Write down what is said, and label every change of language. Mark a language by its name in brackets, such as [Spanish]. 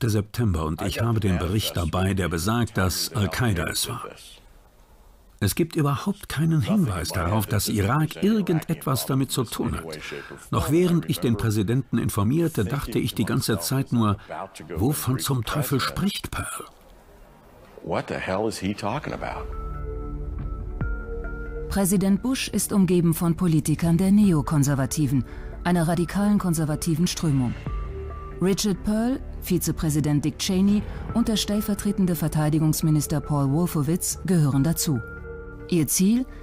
[German] September und ich habe den Bericht dabei, der besagt, dass Al-Qaida es war. Es gibt überhaupt keinen Hinweis darauf, dass Irak irgendetwas damit zu tun hat. Noch während ich den Präsidenten informierte, dachte ich die ganze Zeit nur, wovon zum Teufel spricht Perle? [English] What the hell is he talking about? [German] Präsident Bush ist umgeben von Politikern der Neokonservativen, einer radikalen konservativen Strömung. Richard Perle, Vizepräsident Dick Cheney und der stellvertretende Verteidigungsminister Paul Wolfowitz gehören dazu. Ihr Ziel?